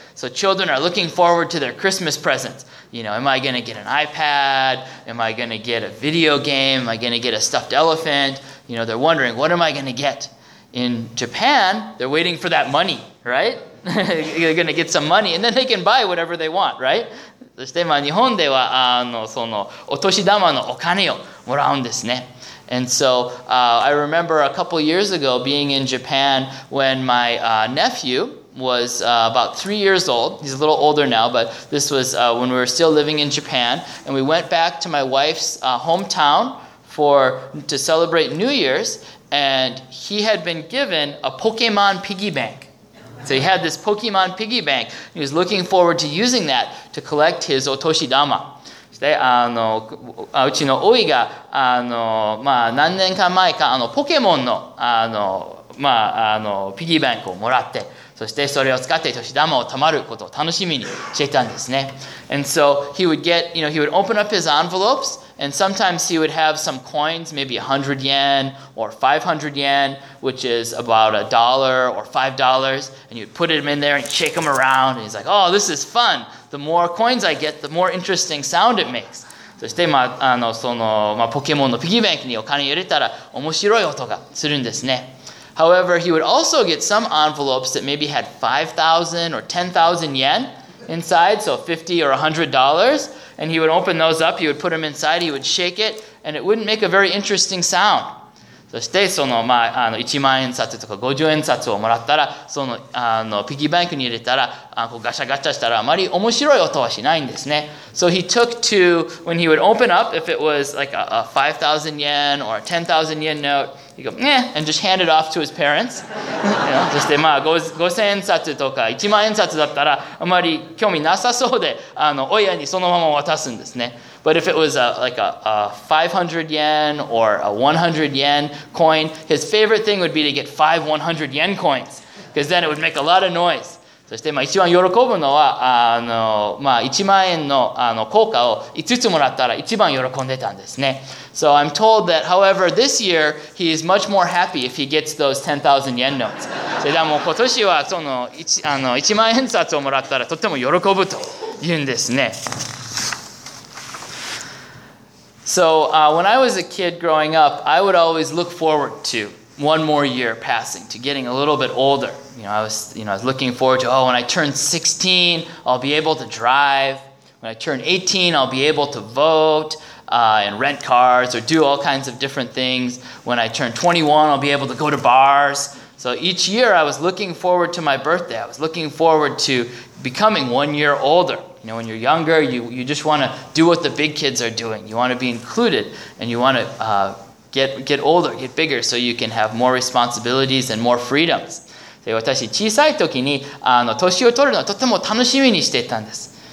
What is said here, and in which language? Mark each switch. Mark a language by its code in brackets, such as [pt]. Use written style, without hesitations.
[en] So children are looking forward to their Christmas presents. Am I going to get an iPad? Am I going to get a video game? Am I going to get a stuffed elephant? They're wondering, what am I going to get? In Japan, they're waiting for that money, right? they're going to get some money and then they can buy whatever they want, right? [ja] そして、まあ、日本ではそのお年玉のお金をもらうんですね。 [en] And so, I remember a couple years ago being in Japan when my nephew was about 3 years old. He's a little older now, but this was when we were still living in Japan. And we went back to my wife's hometown to celebrate New Year's. And he had been given a Pokemon piggy bank. So he had this Pokemon piggy bank. He was looking forward to using that to collect his otoshidama. [ja] So, うちのおいが、まあ、何年か前か、ポケモンの、まあ、ピギーバンクをもらって、そしてそれを使って、otoshidamaを貯まることを楽しみにしていたんですね。 [en] And so he would get, he would open up his envelopes, and sometimes he would have some coins, maybe 100 yen or 500 yen, which is about a dollar or $5, and you'd put them in there and shake them around, and he's like, oh, this is fun. The more coins I get, the more interesting sound it makes. [ja] そして、まあ、まあ、ポケモンのピギーバンクにお金入れたら面白い音がするんですね。 [en] However, he would also get some envelopes that maybe had 5,000 or 10,000 yen inside, so $50 or $100, and he would open those up, he would put them inside, he would shake it, and it wouldn't make a very interesting sound. [ja] そしてその、まあ、1万円札とか50円札をもらったら、その、ピギーバンクに入れたら、こうガシャガシャしたらあまり面白い音はしないんですね。 [en] So he took to, when he would open up, if it was like a 5,000 yen or a 10,000 yen note,He'd go, meh, and just hand it off to his parents. [ja] そして、まあ、5000円札とか1万円札だったら、あまり興味なさそうで、親にそのまま渡すんですね。 [en] But if it was a 500 yen or a 100 yen coin, his favorite thing would be to get 5 100 yen coins, because then it would make a lot of noise. [ja] そして、まあ、一番喜ぶのは、まあ、1万円 の, 硬貨を5つもらったら一番喜んでたんですね。 [en] So I'm told that, however, this year, he is much more happy if he gets those 10,000 yen notes. [ja] それではもう今年はその 1万円札をもらったらとても喜ぶと言うんですね。 [en] So, when I was a kid growing up, I would always look forward to one more year passing, to getting a little bit older. I was looking forward to, oh, when I turn 16, I'll be able to drive. When I turn 18, I'll be able to vote and rent cars or do all kinds of different things. When I turn 21, I'll be able to go to bars. So each year I was looking forward to my birthday. I was looking forward to becoming one year older. You know, when you're younger, you just want to do what the big kids are doing. You want to be included and you want to get older, get bigger, so you can have more responsibilities and more freedoms. [ja] で私小さい時に年を取るのはとても楽しみにしていたんです。